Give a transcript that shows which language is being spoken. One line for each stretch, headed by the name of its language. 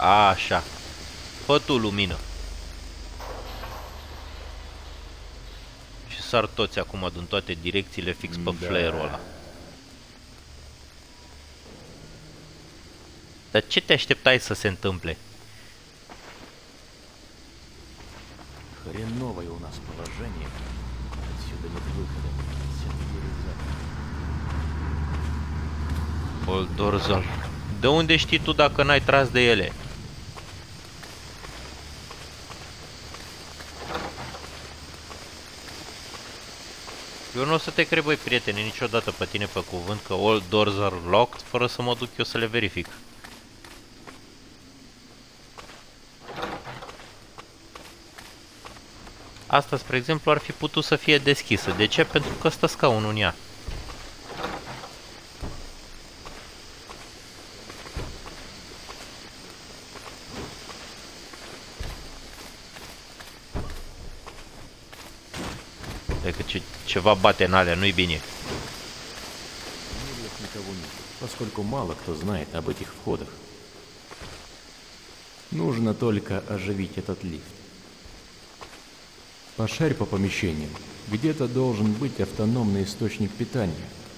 Romanian: Așa. Fă tu lumină. Și sar toți acum din toate direcțiile fix pe flare-ul ăla. Dar ce te așteptai să se întâmple?
Russian: Хреновое у нас положение. Отсюда нет выхода. Сентризатор. Олдорзал.
Romanian: De unde știi tu dacă n-ai tras de ele? Eu nu o să te cred, băi, prietene, niciodată pe tine pe cuvânt că
English: all doors are locked,
Romanian: fără să mă duc eu să le verific. Asta, spre exemplu, ar fi putut să fie deschisă. De ce? Pentru că stă scaunul în ea. Ceva bate în alea, nu-i bine.
Russian: Поскольку мало кто знает об этих входах. Нужно только оживить этот лифт. Пошарь по помещениям. Где-то должен быть автономный источник питания.